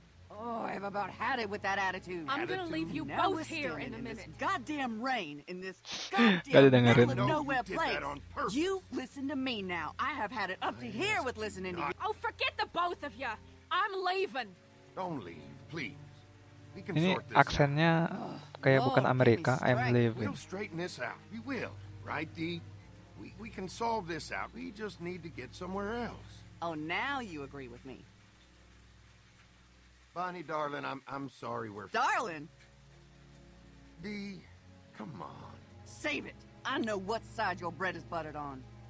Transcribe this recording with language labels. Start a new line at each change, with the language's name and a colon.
English: Oh, I've about had it with that attitude. I'm going to leave you now both here in a minute. In this goddamn rain, in this goddamn middle of nowhere place. You listen to me now. I have had it up to here with listening to you. Oh, forget the both of you. I'm leaving. Don't leave, please. Be
Indonesian: Ini aksennya kayak bukan Amerika.
English: I'm leaving. We will, right, Dee? We can solve this out. We just need to get somewhere else. Oh, now you agree with me. Bonnie, darling, I'm sorry we're... Darling? Dee, come on. Save it. I know what side your bread is buttered on.